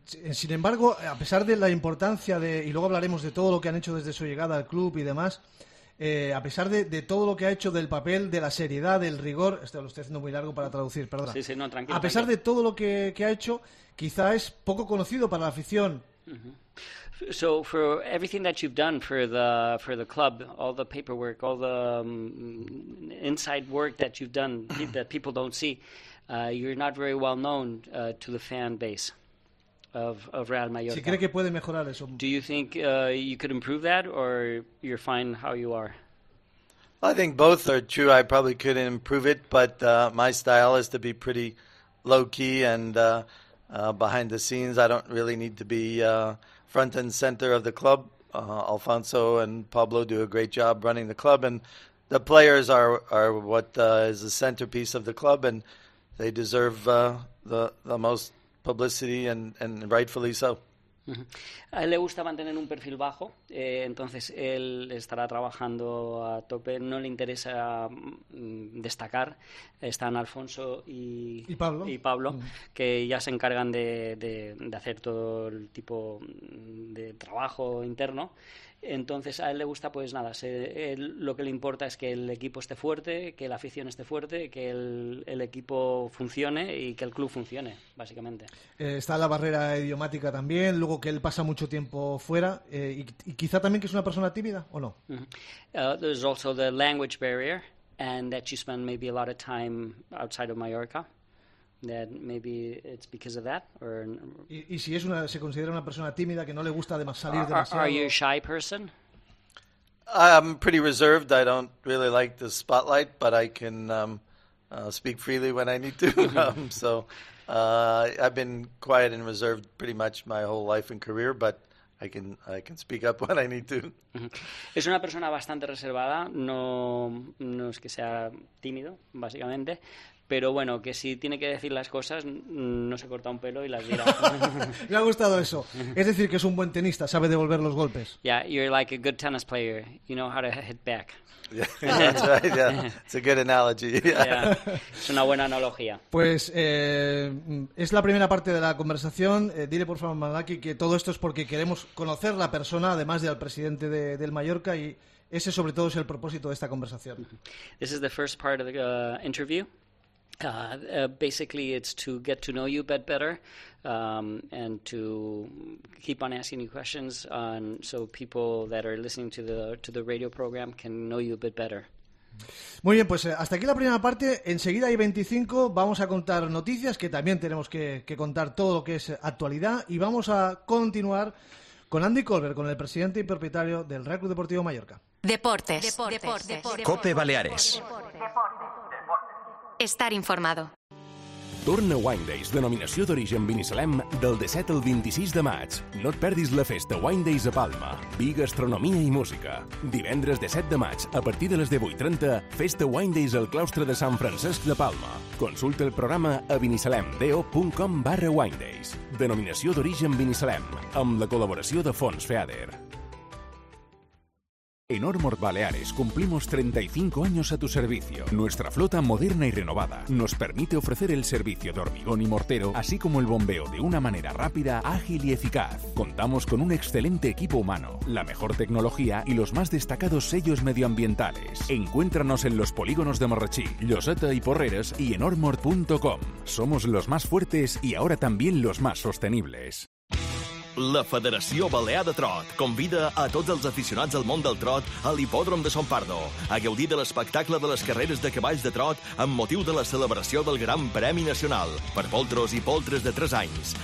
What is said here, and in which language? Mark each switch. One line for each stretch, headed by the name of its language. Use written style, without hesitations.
Spanish: Sin embargo, a pesar de la importancia de, y luego hablaremos de todo lo que han hecho desde su llegada al club y demás, a pesar de todo lo que ha hecho, del papel, de la seriedad, del rigor, esto lo estoy haciendo muy largo para traducir, perdona. Sí, no, tranquilo. A pesar de todo lo que ha hecho, quizá es poco conocido para la afición.
English: So for everything that you've done for the club, all the paperwork, all the inside work that you've done that people don't see, you're not very well known to the fan base of Real Mallorca.
Spanish: Si cree que puede mejorar eso.
English: Do you think you could improve that, or you're fine how you are? I think both are true. I probably could improve it, but my style is to be pretty low key and behind the scenes. I don't really need to be front and center of the club. Alfonso and Pablo do a great job running the club, and the players are what is the centerpiece of the club, and they deserve the most publicity, and rightfully so.
Spanish: A él le gusta mantener un perfil bajo, entonces él estará trabajando a tope, no le interesa destacar. Están Alfonso y Pablo que ya se encargan de hacer todo el tipo de trabajo interno. Entonces a él le gusta, pues nada, lo que le importa es que el equipo esté fuerte, que la afición esté fuerte, que el equipo funcione y que el club funcione, básicamente. Está la barrera idiomática también, luego que él pasa mucho tiempo fuera, y quizá también que es una persona tímida, ¿o no?
English: There's also the language barrier, and that you spend maybe a lot of time outside of Mallorca. That maybe it's because of that, or.
Spanish: Y si es una, se considera una persona tímida que no le gusta salir demasiado.
English: Are you a shy person? I'm pretty reserved. I don't really like the spotlight, but I can speak freely when I need to. I've been quiet and reserved pretty much my whole life and career, but I can speak up when I need to.
Spanish: Es una persona bastante reservada. No es que sea tímido, básicamente. Pero bueno, que si tiene que decir las cosas, no se corta un pelo y las dirá. Me ha gustado eso. Es decir, que es un buen tenista, sabe devolver los golpes.
English: Yeah, you're like a good tennis player. You know how to hit back. Yeah, that's right, yeah. It's a good analogy. Yeah. Yeah,
Spanish: es una buena analogía. Pues es la primera parte de la conversación. Dile, por favor, Malaki, que todo esto es porque queremos conocer la persona, además del presidente del Mallorca, y ese sobre todo es el propósito de esta conversación.
English: This is the first part of the interview. Basically, it's to get to know you a bit better, and to keep on asking you questions, so people that are listening to the radio program can know you a bit better.
Spanish: Muy bien, pues hasta aquí la primera parte. Enseguida hay 25. Vamos a contar noticias, que también tenemos que contar todo lo que es actualidad, y vamos a continuar con Andy Colbert, con el presidente y propietario del Real Club Deportivo Mallorca. Deportes. Deportes. Deportes. Deportes. COPE Baleares. Deportes. Estar informado.
Catalan: Torna Wine Days, denominació d'origen Vinisalem, del 17 al 26 de maig. No et perdis la festa Wine Days a Palma. Vi, gastronomia i música. Divendres 17 de maig, a partir de les 10:30, festa Wine Days al claustre de Sant Francesc de Palma. Consulta el programa a vinisalemdo.com/winedays. Denominació d'origen Vinisalem, amb la col·laboració de Fons Feader.
Spanish: En Ormord Baleares cumplimos 35 años a tu servicio. Nuestra flota moderna y renovada nos permite ofrecer el servicio de hormigón y mortero, así como el bombeo de una manera rápida, ágil y eficaz. Contamos con un excelente equipo humano, la mejor tecnología y los más destacados sellos medioambientales. Encuéntranos en los polígonos de Marrachí, Lloseta y Porreras y en ormord.com. Somos los más fuertes y ahora también los más sostenibles.
Catalan: La Federació Balear de Trot convida a tots els aficionats al món del trot a l'Hipòdrom de Son Pardo a gaudir de l'espectacle de les carreres de cavalls de trot amb motiu de la celebració del Gran Premi Nacional per poltros i poltres de 3 anys.